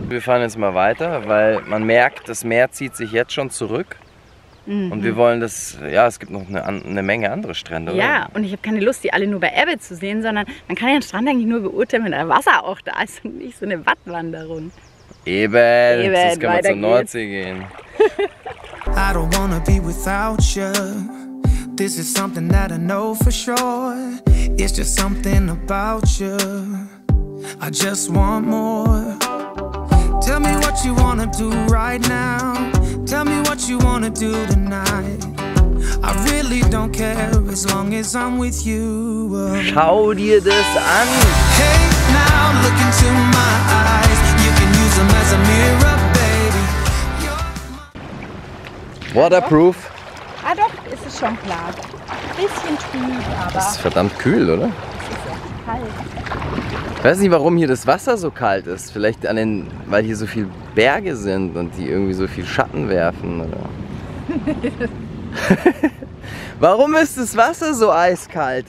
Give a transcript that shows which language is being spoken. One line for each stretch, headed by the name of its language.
German: Wir fahren jetzt mal weiter, weil man merkt, das Meer zieht sich jetzt schon zurück. Mhm. Und wir wollen das, ja, es gibt noch eine Menge andere Strände. Ja, oder? Und ich habe keine Lust, die alle nur bei Ebbe zu sehen, sondern man kann den Strand eigentlich nur beurteilen, wenn da Wasser auch da ist und nicht so eine Wattwanderung. Eben, jetzt können wir zur Nordsee gehen.
English: I don't wanna be without you. This is something that I know for sure. It's just something about you. I just want more. Tell me what you wanna do right now. Tell me what you wanna do tonight. I really don't care as long as I'm with you.
German: Schau dir das an.
English: Hey, now look into my eyes. You can use them as a mirror, baby. Waterproof.
German: Ah doch, ist es schon klar. Bisschen trüb, aber. Das ist verdammt kühl, oder? Es ist echt kalt. Ich weiß nicht, warum hier das Wasser so kalt ist. Vielleicht an den, weil hier so viele Berge sind und die irgendwie so viel Schatten werfen. Oder? Warum ist das Wasser so eiskalt?